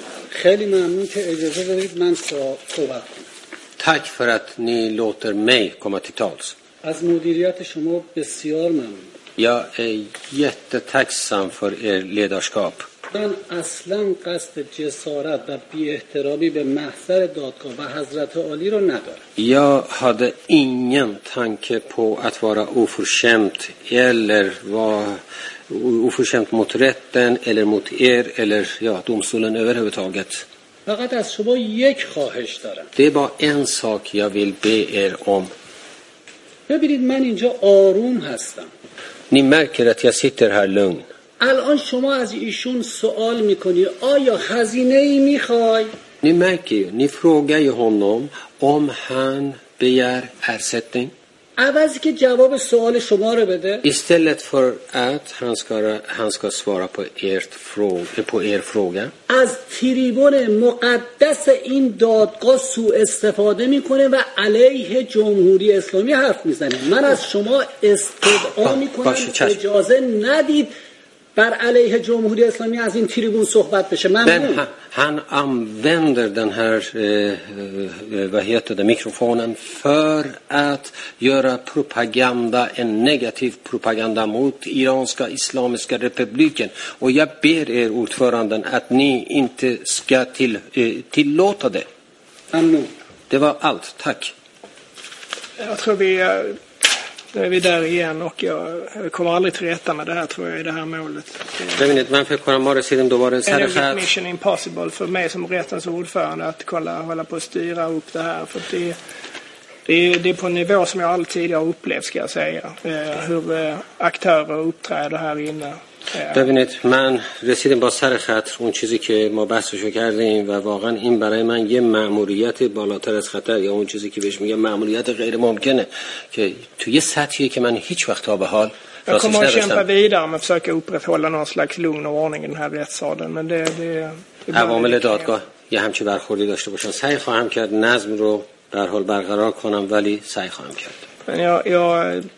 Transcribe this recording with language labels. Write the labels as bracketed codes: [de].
[fa] خیلی ممنون که اجازه دادید من صحبت کنم. [sv] Tack för att ni låter mig komma till tals. [fa] از مدیریت شما بسیار ممنون. [sv] Jag är jättetacksam för er ledarskap. [fa] من اصلا قصد جسارت و بی احترامی به محضر دادگاه و حضرت عالی رو ندارم. [sv] Jag hade ingen tanke på att vara oförskämt eller vara oförskämt mot rätten eller mot er eller ja, domstolen överhuvudtaget. [fa] فقط از شما یک خواهش دارم. [sv] Det är bara en sak jag vill be er om. [fa] ببینید من اینجا آروم هستم. [sv] Ni märker att jag sitter här lugn. [fa] الان شما از ایشون سوال میکنی آیا خزینه ای میخوای؟ [sv] Ni märker ju, ni frågar ju honom om han begär ersättning. [fa] عوضی که جواب سوال شما رو بده. [sv] Istället för att han ska svara på er fråga. [fa] از تریبون مقدس این دادگاه سوء استفاده میکنه و علیه جمهوری اسلامی حرف میزنه. من از شما استدعا میکنم اجازه ندید بر علیه جمهوری اسلامی از این تریبون صحبت بشه. ممنون. [sv] Han använder den här vad heter det, mikrofonen för att göra propaganda, en negativ propaganda mot iranska islamiska republiken. Och jag ber er ordföranden att ni inte ska tillåta det. Ammo. Det var allt. Tack. Jag tror vi nu är vi där igen och jag kommer aldrig till rätta med det här, tror jag, i det här målet. Men för Karamare sedan då var det så här... Energy mission impossible för mig som rättens ordförande att kolla, hålla på och styra upp det här. För det är på en nivå som jag alltid har upplevt, ska jag säga. Hur aktörer uppträder här inne. [fa] ببینید من رسیدم با سر خط اون چیزی که ما بحثشو کردیم و واقعا این برای من یه مأموریت بالاتر از خطر یا اون چیزی که بهش میگم مأموریت غیر ممکنه که تو یه سطحی که من هیچ وقت تا به حال راستش نداشتم. [sv] Jag kommer kämpa vidare med att försöka upprätthålla någon slags lugn och ordning i den här rättssalen, men det [fa] عوامل دادگاه یه همچین برخوردی داشته باشن. سعی خواهم کرد نظم رو در حال برقرار کنم ولی سعی خواهم کرد.